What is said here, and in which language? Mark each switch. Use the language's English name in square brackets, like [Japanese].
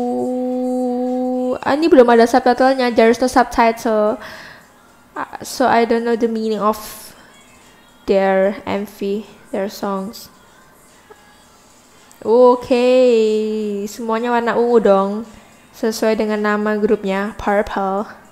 [Indonesian] Oh, ini belum ada subtitlenya. [English] There's no subtitle. So I don't know the meaning of their MV, their songs. [Indonesian] Okay, semuanya warna ungu dong, sesuai dengan nama grupnya, Purple.